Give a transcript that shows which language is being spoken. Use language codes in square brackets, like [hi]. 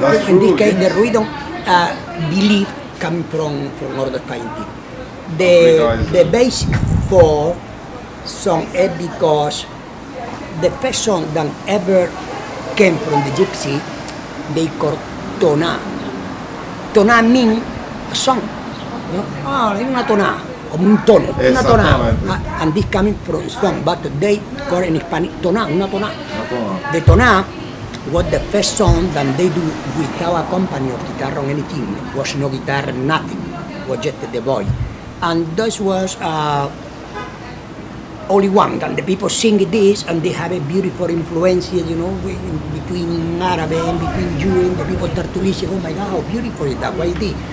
[en] In this case, the rhythm, believe, come from all the kind of thing. The basic four song is because the first song that ever came from the gypsy, they called toná. Toná means a song, you know? [es] Oh, una toná, como un tono, una toná. [en] And this coming from song, but they call in Spanish toná, una toná. The toná was the first song that they do without a company of guitar or anything. It was no guitar, nothing. It was just the boy. And this was only one, and the people sing this, and they have a beautiful influence, you know, between Arab and between Jew, and the people start to listen, oh my God, how beautiful is that, why is this?